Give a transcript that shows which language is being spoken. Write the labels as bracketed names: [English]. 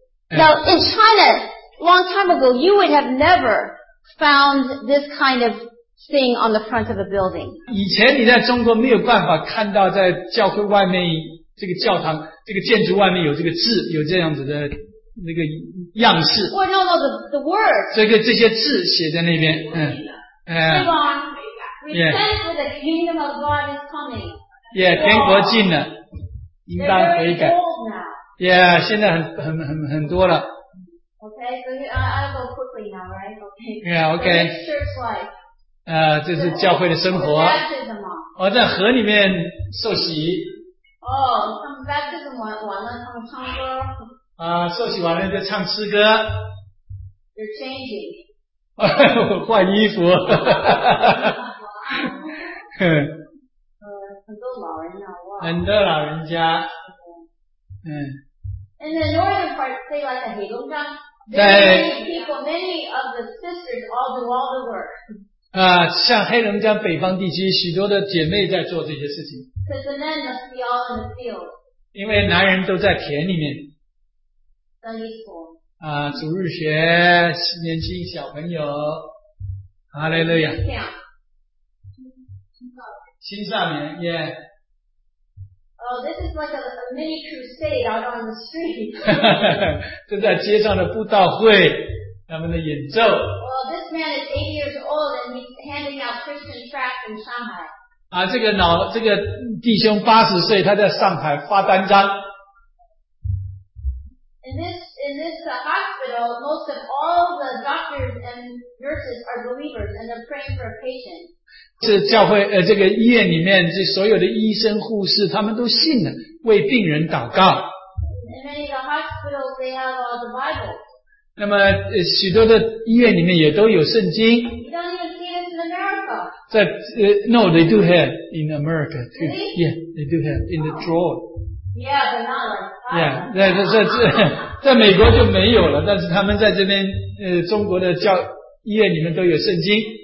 [English] Now in China, long time ago, you would have never found this kind of thing on the front of a building. [Chinese] 以前你在中国没有办法看到在教会外面这个教堂这个建筑外面有这个字有这样子的那个样式。 [English] Well, no, the word. [Chinese] 这个这些字写在那边。 [English] Yeah. The kingdom of God is coming. [Chinese] Yeah, 天国近了应当悔改。 Yeah, 现在很多了。 [English] Okay, so I'll go quickly now, right? Okay. Yeah, okay. Church life. [Chinese] 这是教会的生活。我在河里面受洗。哦，他们 baptism 完了，他们唱歌。受洗完了就唱诗歌。 [English] You're changing. [Chinese] 换衣服。很多老人家哇。很多老人家。嗯。 [English] In the northern part, say like a Heilongjiang. Many people, many of the sisters all do all the work. [Chinese] 像黑龙江北方地区许多的姐妹在做这些事情。 [English] Because the men must be all in the field. [Chinese] 因为男人都在田里面。 [English] Sunday school. [Chinese] 主日学年轻小朋友。哈利路亚。青少年。青少年 yeah. [English] Oh, this is like a mini crusade out on the street. [Chinese] 就在街上的布道会。他们的演奏。 [English] Well, this man is 80 years old and he's handing out Christian tracts in Shanghai. [Chinese] 这个弟兄80岁他在上海发单张。 [English] In this hospital, most of all the doctors and nurses are believers and they're praying for a patient. [Chinese] 这教会这个医院里面这所有的医生护士他们都信了为病人祷告。 [English] In many of the hospitals, they have all the Bible. [Chinese] 那么许多的医院里面也都有圣经。 [English] You don't even see this in America. No, they do have in America too. Really? Yeah, they do have in the drawer. Yeah, but not like that. [Chinese] Yeah, 在美国就没有了，但是他们在这边中国的教医院里面都有圣经。